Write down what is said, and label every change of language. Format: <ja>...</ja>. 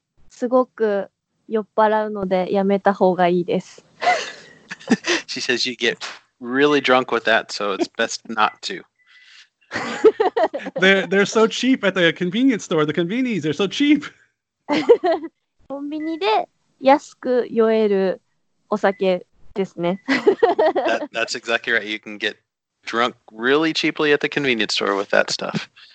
<ja>すごく酔っ払うのでやめた方がいいです。</ja> <en>She says you get really drunk with that, so it's best not to. They're so cheap at the convenience store, the convenies, they're so cheap.</en> <ja>コンビニで安く酔えるお酒ですね。</ja> <en>That's exactly right. You can get drunk really cheaply at the convenience store with that stuff.</en>